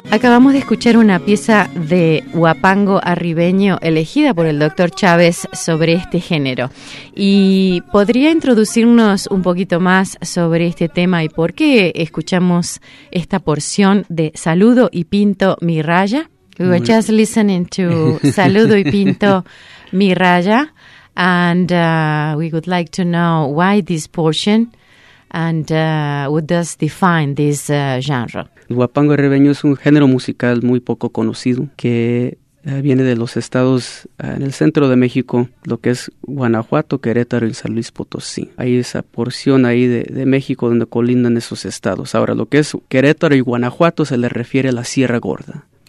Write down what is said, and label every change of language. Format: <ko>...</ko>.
<es>Acabamos de escuchar una pieza de huapango arribeño elegida por el doctor Chavez sobre este género. ¿Y podría introducirnos un poquito más sobre este tema y por qué escuchamos esta porción de Saludo y pinto mi raya?</es> <en>We were just listening to Saludo y Pinto Mi Raya, and we would like to know why this portion and what does define this genre.</en> <es>El huapango arribeño es un género musical muy poco conocido que viene de los estados en el centro de México, lo que es Guanajuato, Querétaro y San Luis Potosí. Hay esa porción ahí de México donde colindan esos estados. Ahora, lo que es Querétaro y Guanajuato se le refiere a la Sierra Gorda.</es>